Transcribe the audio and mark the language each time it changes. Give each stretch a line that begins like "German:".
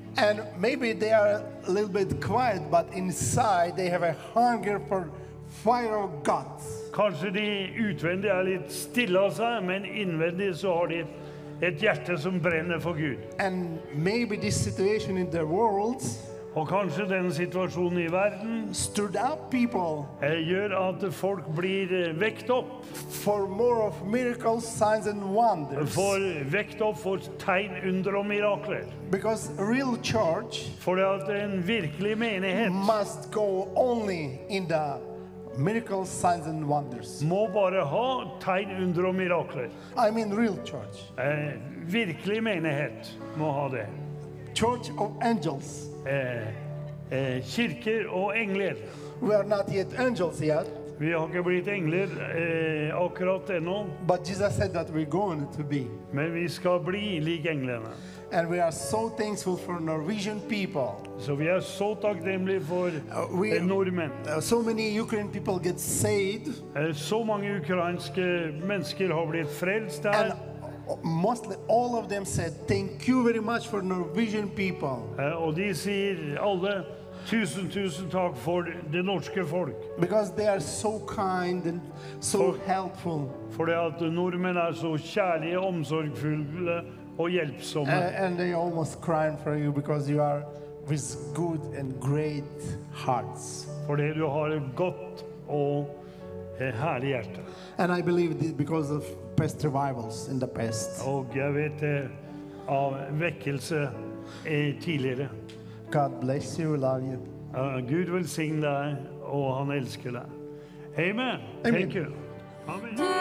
English: And maybe they are a little bit quiet, but inside they have a hunger for fire of God.
Norwegian: Kanskje de utvendig litt stille av seg, men innvendig så har de et hjerte som brenner for Gud.
English: And maybe this situation in the world
Norwegian: Og kanskje den situasjonen I verden
English: stood up people
Norwegian: gjør at folk blir vekt opp
English: for more of miracles, signs and wonders.
Norwegian: For vekt opp for tegn, under og mirakler.
English: Because real church
Norwegian: for at en virkelig menighet
English: must go only in the miracles, signs and wonders.
Norwegian: Må bare ha tegn, under og mirakler.
English: I mean real church.
Norwegian: Virkelig menighet må ha det.
English: Church of angels.
Norwegian: Kirker og engler.
English: We are not yet angels yet.
Norwegian: Vi har ikke blitt engler akkurat ennå.
English: But Jesus said that we're going to be.
Norwegian: Men vi skal bli like englene.
English: And we are so thankful for Norwegian people.
Norwegian: Så vi så takknemlige for nordmenn.
English: So many Ukrainian people get saved.
Norwegian: Så mange ukrainske mennesker har blitt frelst der.
English: And mostly all of them said thank you very much for Norwegian people.
Norwegian: Og de sier alle tusen tusen takk for det norske folk.
English: Because they are so kind and so helpful.
Norwegian: Fordi at nordmenn så kjærlige, omsorgsfulle og hjelpsomme.
English: And they almost crying for you because you are with good and great hearts.
Norwegian: Fordi du har et godt og herlig hjerte.
English: And I believe this because of past revivals in the past.
Norwegian: Og jeg vet av vekkelse tidligere.
English: God bless you, love you.
Norwegian: Gud velsigne deg, og han elsker deg. Amen.
English: Thank you.
Norwegian: Amen.